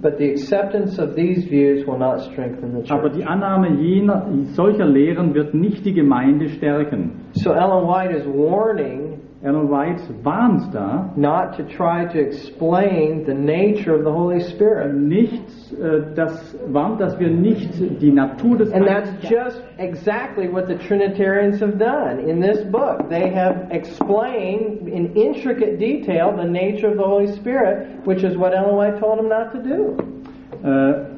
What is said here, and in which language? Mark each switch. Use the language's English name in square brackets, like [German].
[English] But the acceptance of these views will not strengthen the church. [German] Aber die Annahme solcher Lehren wird nicht die Gemeinde stärken. [English] So Ellen White is warning. [German] Ellen White warnt da, [English] not to try to explain the nature of the Holy Spirit. [German] Dass wir nicht die Natur des Heiligen. [English] And that's just exactly what the Trinitarians have done in this book. They have explained in intricate detail the nature of the Holy Spirit, which is what Ellen White told them not to do.